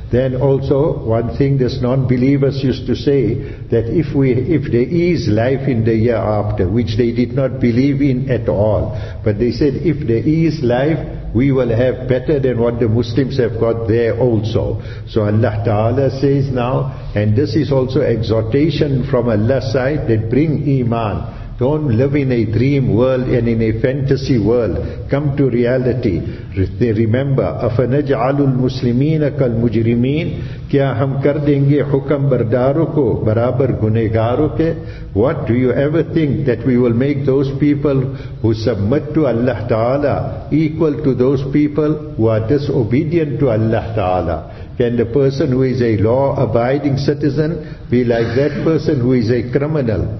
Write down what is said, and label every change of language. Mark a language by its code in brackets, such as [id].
[en] Then also one thing this non-believers used to say, that if there is life in the year after, which they did not believe in at all, but they said if there is life, we will have better than what the Muslims have got there also. So Allah Ta'ala says now, and this is also exhortation from Allah's side, that bring iman. Don't live in a dream world and in a fantasy world. Come to reality. Remember, [ar] أَفَنَجْعَلُ الْمُسْلِمِينَ كَالْمُجْرِمِينَ. [ur] Kya hum kar denge hukam bardaro ko barabar gunegaro ke? [en] What do you ever think that we will make those people who submit to Allah Ta'ala equal to those people who are disobedient to Allah Ta'ala? Can the person who is a law-abiding citizen be like that person who is a criminal?